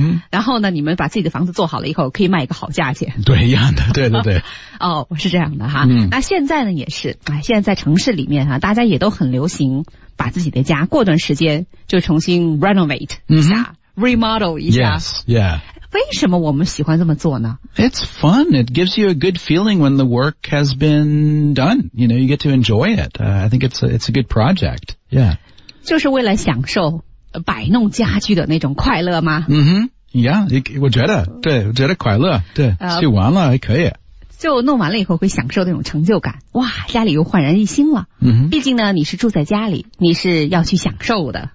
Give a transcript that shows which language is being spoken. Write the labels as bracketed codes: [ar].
[zh] 然后呢你们把自己的房子做好了以后可以卖一个好价钱。对，一样的，对对对。哦，是这样的哈。那现在呢也是，现在在城市里面啊，大家也都很流行把自己的家过段时间就重新 renovate 一下、remodel 一下。 [en] Yes, yeah. [zh] 为什么我们喜欢这么做呢？ [en] It's fun. It gives you a good feeling when the work has been done. You know, you get to enjoy it. I think it's a good project. Yeah. [zh] 就是为了享受摆弄家具的那种快乐吗？ Yeah, 我觉得快乐，对，去玩了还可以。就弄完了以后会享受那种成就感，哇，家里又焕然一新了。毕竟呢你是住在家里，你是要去享受的，